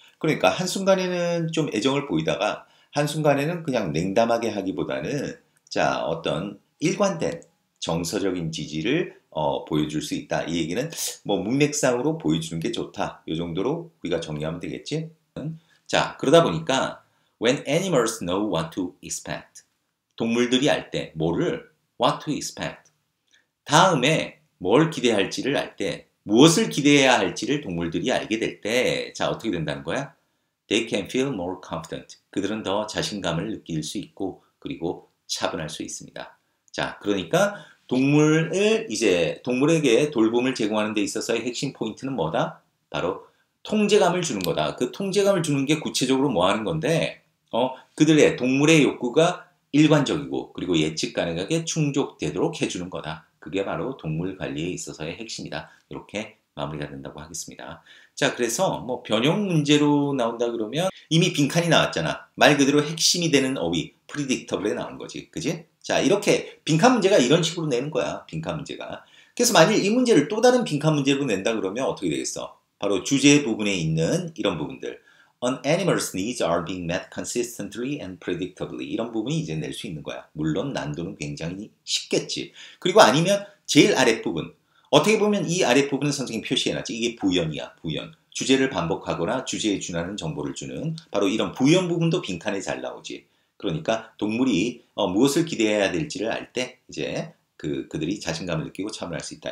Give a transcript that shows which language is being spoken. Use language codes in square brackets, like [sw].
[ko] 그러니까 한순간에는 좀 애정을 보이다가 한순간에는 그냥 냉담하게 하기보다는 자 어떤 일관된 정서적인 지지를 보여줄 수 있다. 이 얘기는 뭐 문맥상으로 보여주는 게 좋다. 이 정도로 우리가 정리하면 되겠지? 자, 그러다 보니까 [en] When animals know what to expect. [ko] 동물들이 알 때 뭐를? [en] What to expect. [ko] 다음에 뭘 기대할지를 알 때 무엇을 기대해야 할지를 동물들이 알게 될 때 자, 어떻게 된다는 거야? [en] They can feel more confident. [ko] 그들은 더 자신감을 느낄 수 있고 그리고 차분할 수 있습니다. 자, 그러니까 동물을 이제 동물에게 돌봄을 제공하는 데 있어서의 핵심 포인트는 뭐다? 바로 통제감을 주는 거다. 그 통제감을 주는 게 구체적으로 뭐 하는 건데 그들의 동물의 욕구가 일관적이고 그리고 예측 가능하게 충족되도록 해주는 거다. 그게 바로 동물 관리에 있어서의 핵심이다. 이렇게 마무리가 된다고 하겠습니다. 자, 그래서 뭐 변형 문제로 나온다 그러면 이미 빈칸이 나왔잖아. 말 그대로 핵심이 되는 어휘, 프리딕터블에 나온 거지. 그지? 자, 이렇게 빈칸 문제가 이런 식으로 내는 거야. 빈칸 문제가. 그래서 만일 이 문제를 또 다른 빈칸 문제로 낸다 그러면 어떻게 되겠어? 바로 주제 부분에 있는 이런 부분들. [en] An animal's needs are being met consistently and predictably. [ko] 이런 부분이 이제 낼 수 있는 거야. 물론 난도는 굉장히 쉽겠지. 그리고 아니면 제일 아랫부분. 어떻게 보면 이 아랫부분은 선생님이 표시해놨지. 이게 부연이야. 부연. 주제를 반복하거나 주제에 준하는 정보를 주는 바로 이런 부연 부분도 빈칸에 잘 나오지. 그러니까 동물이 무엇을 기대해야 될지를 알 때 이제 그들이 자신감을 느끼고 참여할 수 있다.